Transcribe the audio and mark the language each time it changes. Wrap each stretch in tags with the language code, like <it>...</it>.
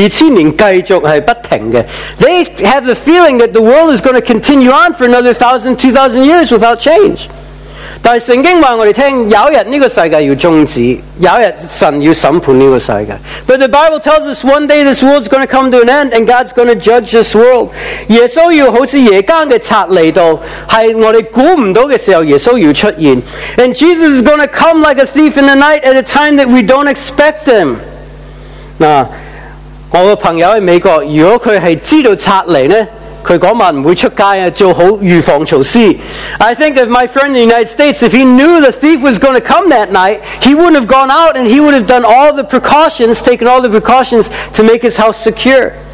<en>They have a feeling that the world is going to continue on for another 1,000, 2,000 years without change.</en> <zh>但是圣经告诉我们,有一天这个世界要终止,有一天神要审判这个世界。</zh> <en>But the Bible tells us one day this world is going to come to an end and God's going to judge this world.</en> <zh>耶稣要好像夜间的贼来到,是我们估不到的时候耶稣要出现。</zh> <en>And Jesus is going to come like a thief in the night at a time that we don't expect him.</en> <zh>我的朋友在美国,如果他是知道贼来呢, 他那晚不会出街,</zh> <en>I think if my friend in the United States, if he knew the thief was going to come that night, he wouldn't have gone out and he would have done all the precautions, taken all the precautions to make his house secure.</en>